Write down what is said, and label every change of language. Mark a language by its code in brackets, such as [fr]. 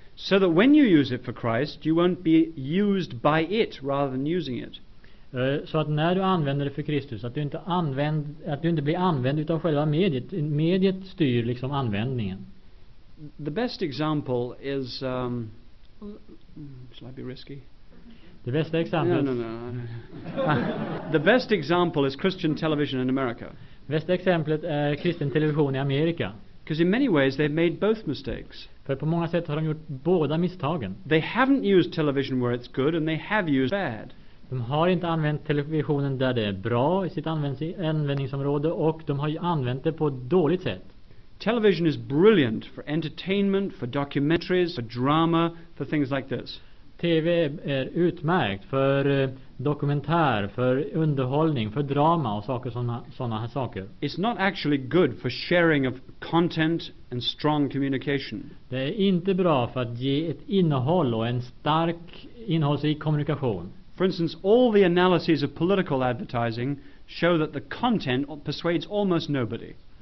[en] So that when you use it for Christ, you won't be used by it rather than using it. [sv] Så att när du använder det för Kristus, att du inte blir använd utan själva mediet. Mediet styr liksom användningen. [en] The best example is Should I be risky? The best example. No. The best example is Christian television in America. [sv] Bästa exemplet är kristen television i Amerika. [en] Because in many ways they've made both mistakes. [sv] För på många sätt har de gjort båda misstagen. [en] They haven't used television where it's good and they have used bad. [sv] De har inte använt televisionen där det är bra i sitt användningsområde och de har ju använt det på ett dåligt sätt. [en] Television is brilliant for entertainment, for documentaries, for drama, for things like this. [sv] TV är utmärkt för dokumentär, för underhållning, för drama och saker såna här saker. [en] It's not actually good for sharing of content and strong communication. [sv] Det är inte bra för att ge ett innehåll och en stark innehållsrik kommunikation. [en] For instance, all the analyses of political advertising show that the content persuades almost nobody.